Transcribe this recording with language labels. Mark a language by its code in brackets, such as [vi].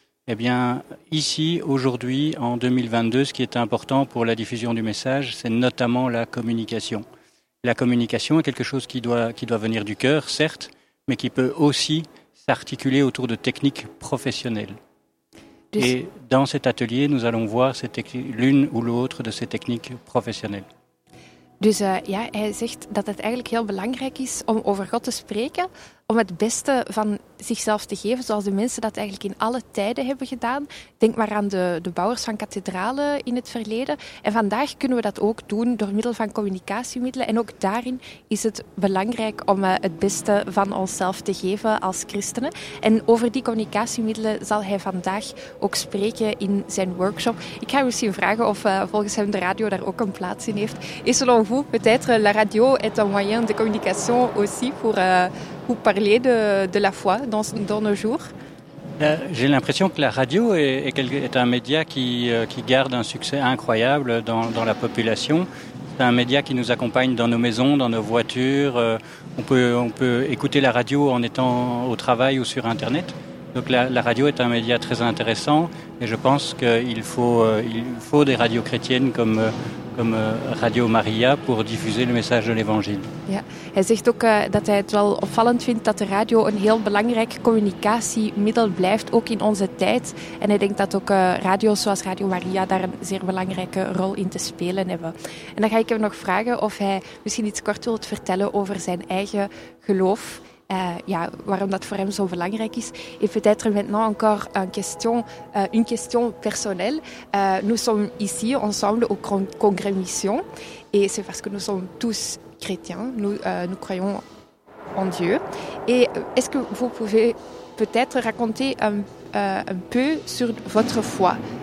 [fr] Eh bien, ici, aujourd'hui, en 2022, ce qui est important pour la diffusion du message, c'est notamment la communication. La communication est quelque chose qui doit venir du cœur, certes, mais qui peut aussi s'articuler autour de techniques professionnelles. Et dans cet atelier, nous allons voir l'une ou l'autre de ces techniques professionnelles. [nl] Dus ja, hij zegt dat het eigenlijk heel belangrijk is om over God te spreken, om het beste van zichzelf te geven, zoals de mensen dat eigenlijk in alle tijden hebben gedaan. Denk maar aan de bouwers van kathedralen in het verleden. En vandaag kunnen we dat ook doen door middel van communicatiemiddelen. En ook daarin is het belangrijk om het beste van onszelf te geven als christenen. En over die communicatiemiddelen zal hij vandaag ook spreken in zijn workshop. Ik ga misschien vragen of volgens hem de radio daar ook een plaats in heeft. [fr] Et selon vous, peut-être la radio est un moyen de communication aussi pour parler de la foi dans nos jours. J'ai l'impression que la radio est un média qui garde un succès incroyable dans la population. C'est un média qui nous accompagne dans nos maisons, dans nos voitures. On peut écouter la radio en étant au travail ou sur Internet. Donc la radio est un média très intéressant et je pense qu'il faut, des radios chrétiennes comme Radio Maria pour diffuser le message de l'évangile. [nl] Ja. Hij zegt ook dat hij het wel opvallend vindt dat de radio een heel belangrijk communicatiemiddel blijft, ook in onze tijd. En hij denkt dat ook radio's zoals Radio Maria daar een zeer belangrijke rol in te spelen hebben. En dan ga ik hem nog vragen of hij misschien iets kort wilt vertellen over zijn eigen geloof. Waarom dat voor hem zo belangrijk is. [fr] Et peut-être maintenant encore une question personnelle. Nous sommes ici ensemble au congrès mission et c'est parce que nous sommes tous chrétiens, nous croyons en Dieu. Et est-ce que vous pouvez peut-être raconter un peu sur votre foi?